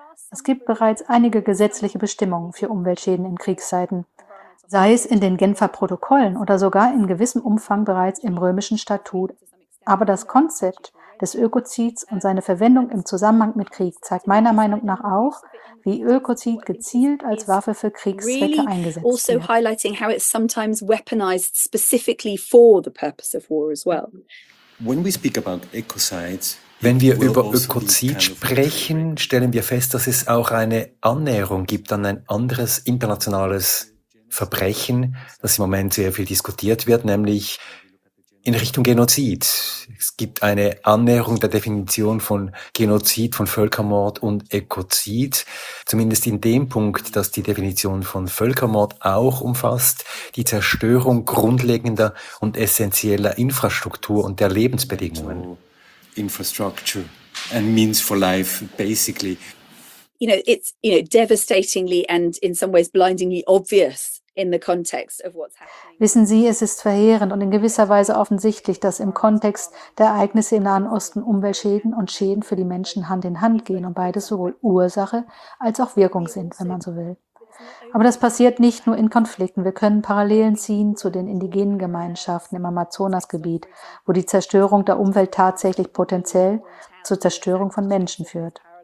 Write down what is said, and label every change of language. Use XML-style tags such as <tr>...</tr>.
<de>Es gibt bereits einige gesetzliche Bestimmungen für Umweltschäden in Kriegszeiten, sei es in den Genfer Protokollen oder sogar in gewissem Umfang bereits im römischen Statut. Aber das Konzept des Ökozids und seine Verwendung im Zusammenhang mit Krieg zeigt meiner Meinung nach auch, wie Ökozid gezielt als Waffe für Kriegszwecke eingesetzt wird.</de> <en>Also highlighting how it's sometimes weaponized specifically for the purpose of war as well. When we speak about ecocides,</en> <de>wenn wir über Ökozid sprechen, stellen wir fest, dass es auch eine Annäherung gibt an ein anderes internationales Verbrechen, das im Moment sehr viel diskutiert wird, nämlich in Richtung Genozid. Es gibt eine Annäherung der Definition von Genozid, von Völkermord und Ökozid, zumindest in dem Punkt, dass die Definition von Völkermord auch umfasst die Zerstörung grundlegender und essentieller Infrastruktur und der Lebensbedingungen.</de> <en>Infrastructure and means for life, basically. You know, it's, you know, devastatingly and in some ways blindingly obvious. In the context of what's happening.</en> <de>Wissen Sie, es ist verheerend und in gewisser Weise offensichtlich, dass im Kontext der Ereignisse im Nahen Osten Umweltschäden und Schäden für die Menschen Hand in Hand gehen und beides sowohl Ursache als auch Wirkung sind, wenn man so will. Aber das passiert nicht nur in Konflikten. Wir können Parallelen ziehen zu den indigenen Gemeinschaften im Amazonasgebiet, wo die Zerstörung der Umwelt tatsächlich potenziell zur Zerstörung von Menschen führt.</de>